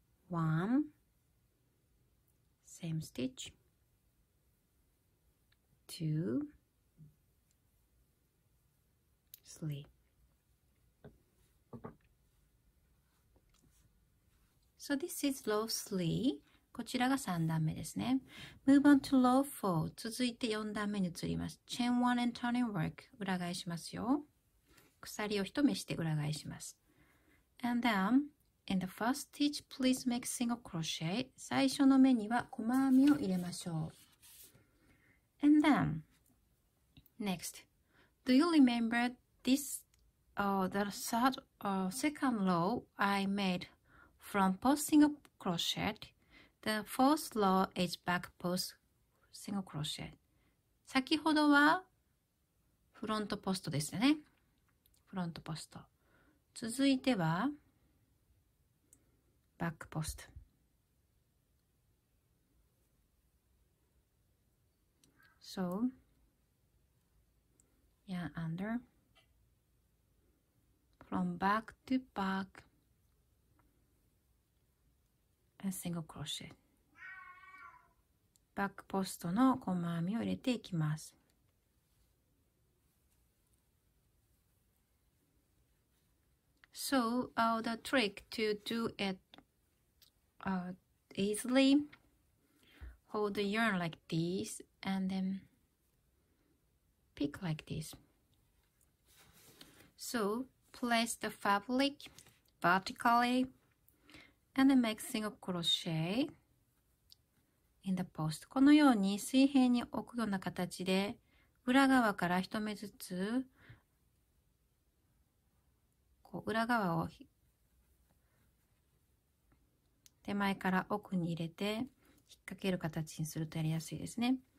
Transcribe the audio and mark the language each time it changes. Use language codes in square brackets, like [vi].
[en] 1 same stitch 2 3 So this is row 3 [ja] こちらが3段目ですね。 [en] Move on to row 4 [ja] 続いて4段目に移ります。 [en] Chain 1 and turning work [ja] 裏返しますよ。鎖を1目して裏返します。 [en] And then, in the first stitch, please make single crochet. [ja] 最初の目には細編みを入れましょう。 [en] And then, next, do you remember this, the third or second row I made from post single crochet? The fourth row is back post single crochet. [ja] 先ほどはフロントポストですね。フロントポスト。続いてはバックポスト。 [en] So, yarn under, from back to back, and single crochet. [ja] バックポストの細編みを入れていきます。 [en] So, the trick to do it easily, hold the yarn like this, and then pick like this. So, place the fabric vertically, and then make single crochet in the post. [ja] このように水平に置くような形で、裏側から一目ずつ裏側を手前から奥に入れて引っ掛ける形にするとやりやすいですね。